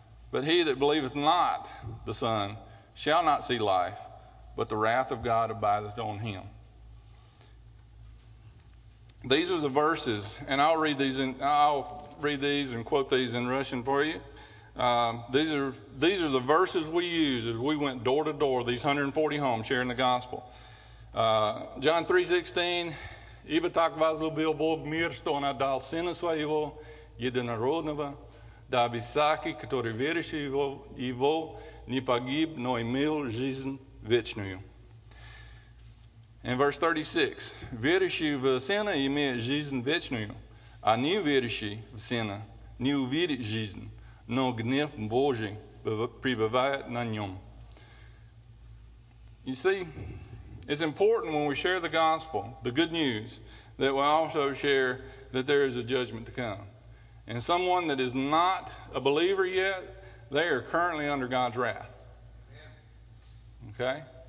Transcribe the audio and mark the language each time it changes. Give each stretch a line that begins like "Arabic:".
English: But he that believeth not the Son shall not see life, but the wrath of God abideth on him. These are the verses, and I'll read these and quote these in Russian for you. These are the verses we use as we went door to door, these 140 homes sharing the gospel.
Russian: John 3:16, "Ибо так возлюбил Бог мир, что он отдал Сына Своего единородного, дабы всякий, который верит в Его, не погиб, но имел жизнь вечную." In verse 36, "Верящий в Сына имеет жизнь вечную, а не верящий в Сына не увидит жизнь, но гнев Божий пребывает на нем."
English: You see, it's important when we share the gospel, the good news, that we also share that there is a judgment to come. And someone that is not a believer yet, they are currently under God's wrath. Okay?